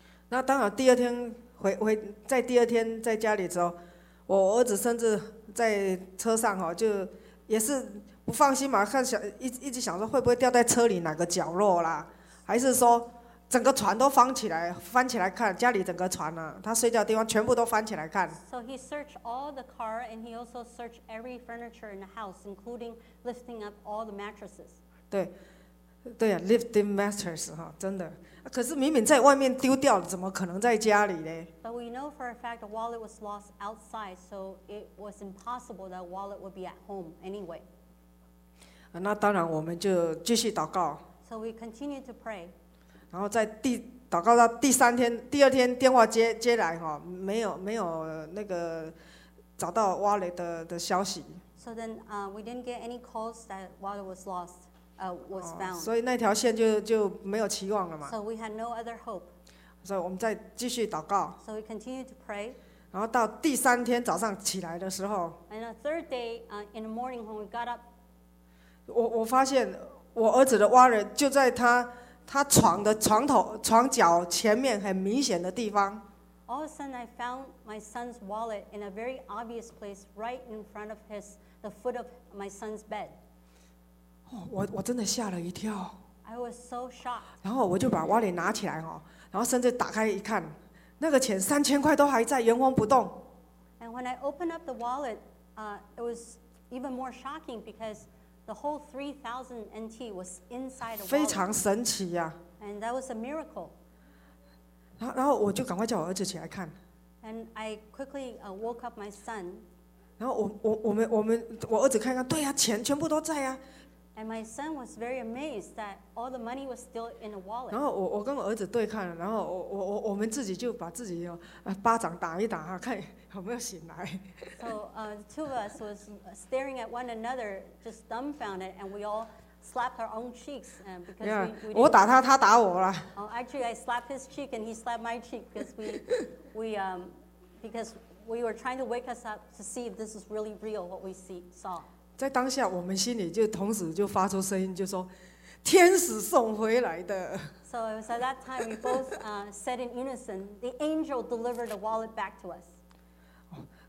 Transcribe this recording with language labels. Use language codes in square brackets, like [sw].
[zh] 那当然第二天在第二天在家里的时候，我儿子甚至在车上哦，就也是不放心嘛，一直想说会不会掉在车里哪个角落啦，还是说整个船都翻起来看，家里整个船啊，他睡觉的地方全部都翻起来看。 [en] So he searched all the car and he also searched every furniture in the house, including lifting up all the mattresses. [zh] 对，对啊 ， [en] lifting mattress [zh] 哈，真的。可是明明在外面丢掉了，怎么可能在家里呢 [en] ？But we know for a fact the wallet was lost outside, so it was impossible that wallet would be at home anyway. [zh] 那当然，我们就继续祷告。 [en] So we continue to pray. [zh] 然后在祷告到第三天，第二天电话接来哈，没有那个找到 wallet 的消息。 [en] So then, we didn't get any calls that wallet was lost, was found. [zh] 所以那条线就没有期望了嘛。 [en] So we had no other hope. [zh] 所以我们再继续祷告。 [en] So we continue to pray. [zh] 然后到第三天早上起来的时候 [en] ，And the third day, in the morning when we got up. [zh] 我发现我儿子的wallet就在他床的床头床脚前面很明显的地方。 [en] All of a sudden, I found my son's wallet in a very obvious place, right in front of the foot of my son's bed. [zh] 我真的吓了一跳。 [en] I was so shocked. [zh] 然后我就把wallet拿起来哈，然后甚至打开一看，那个钱3000块都还在原封不动。 [en] And when I opened up the wallet, it was even more shocking because the whole 3,000 NT was inside a wallet. [zh] 非常神奇啊。 [en] And that was a miracle. [zh] 然后我就赶快叫我儿子起来看。 [en] And I quickly woke up my son. [zh] 然后我儿子看一看，对啊，钱全部都在啊。 [en] And my son was very amazed that all the money was still in the wallet. [zh] 然后我跟我儿子对看了，然后我们自己就把自己巴掌打一打啊，看有没有醒来。 [en] So two of us was staring at one another, just dumbfounded, and we all slapped our own cheeks because yeah, we [zh] 我打他，他打我了。 [en] Oh, actually, I slapped his cheek and he slapped my cheek because we were trying to wake us up to see if this is really real what we saw. [zh] 在当下，我们心里就同时就发出声音，就说：“天使送回来的。” [en] So it was at that time we both said in unison, "The angel delivered the wallet back to us."